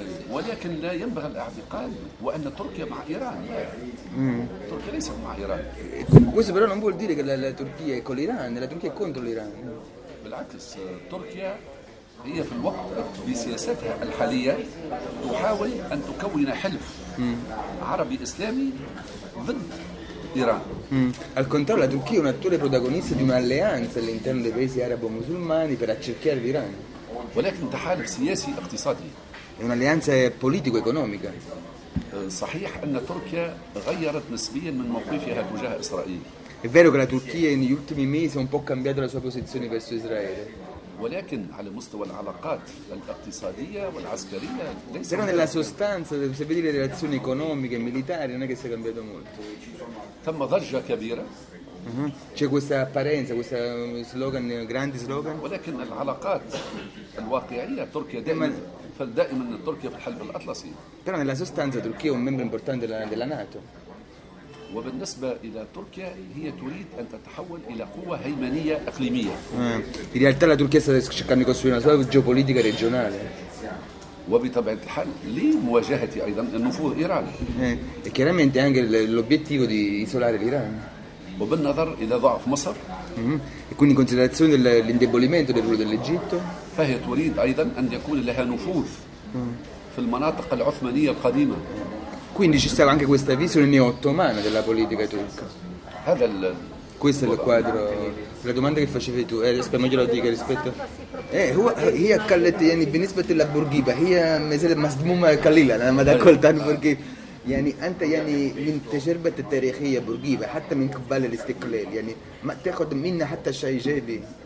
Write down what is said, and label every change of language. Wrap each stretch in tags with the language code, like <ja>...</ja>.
<ar>ولكن لا ينبغي الاعتقاد وان تركيا مع ايران. تركيا ليست مع ايران.</ar> <it>Questo però non vuol dire che la Turchia è con l'Iran, la Turchia è contro l'Iran.</it> <ar>بالعكس تركيا هي في الوقت بسياستها الحاليه تحاول ان تكون حلف عربي اسلامي ضد ايران.</ar> <it>Al contrario la Turchia è un attore protagonista di un'alleanza all'interno dei paesi arabo musulmani per accerchiare l'Iran.</it> <ar>ولكن تحالف سياسي اقتصادي.</ar> <it>È un'alleanza politico-economica.</it> <ar>صحيح ان تركيا غيرت نسبيا من موقفها تجاه اسرائيل.</ar> <it>È vero che la Turchia negli ultimi mesi ha un po' cambiato la sua posizione verso Israele.</it> <ar>ولكن على مستوى العلاقات الاقتصاديه والعسكريه ليس</ar> <it>però nella sostanza, se vedi le relazioni economiche e militari, non è che si è cambiato molto.</it> <ar>تم ضجه كبيره.</ar> <it>C'è questa apparenza, questo slogan, grandi slogan.</it> <ar>ولكن العلاقات الواقعيه تركيا دائما فدائما تركيا في الحلف الاطلسي.</ar> <it>Però nella sostanza Turchia è un membro importante della NATO.</it> <ar>وبالنسبه الى تركيا هي تريد ان تتحول الى قوه هيمنيه اقليميه.</ar> <it>In realtà la Turchia sta cercando di costruire una sua geopolitica regionale.</it> <ar>وبطبيعة الحال لمواجهة ايضا النفوذ الايراني.</ar> <it>E chiaramente anche l'obiettivo di isolare l'Iran.</it> <ar>وبالنظر الى ضعف مصر.</ar> <it>E quindi in considerazione dell'indebolimento del ruolo dell'Egitto.</it> <ar>فهي تريد ايضا ان يكون لها نفوذ في المناطق العثمانيه القديمه.</ar> <it>Quindi ci stava anche questa visione neo-ottomana della politica turca.</it> <ar>هذا</ar> <it>questo è il quadro. La domanda che facevi tu, aspetta, meglio lo dica rispetto.</it> <ar>هي قالت يعني بالنسبه للبورقيبه هي مازال مصدومه قليلا لما دخلت عن بورقيبه. يعني انت يعني من تجربه التاريخيه بورقيبه حتى من قبل الاستقلال يعني ما تاخذ منا حتى شيء ايجابي.</ar>